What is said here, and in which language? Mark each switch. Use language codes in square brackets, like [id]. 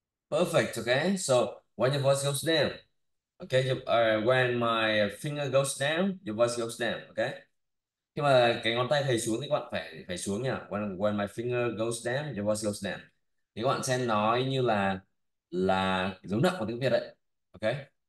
[en] Perfect, okay? So, when your voice goes down. Okay, when my finger goes down, your voice goes down, okay? [vi] Khi mà cái ngón tay thầy xuống thì các bạn phải phải xuống nhỉ? [en] When my finger goes down, your voice goes down. [vi] Thì các bạn sẽ nói như là dấu nặng của tiếng Việt đấy, okay?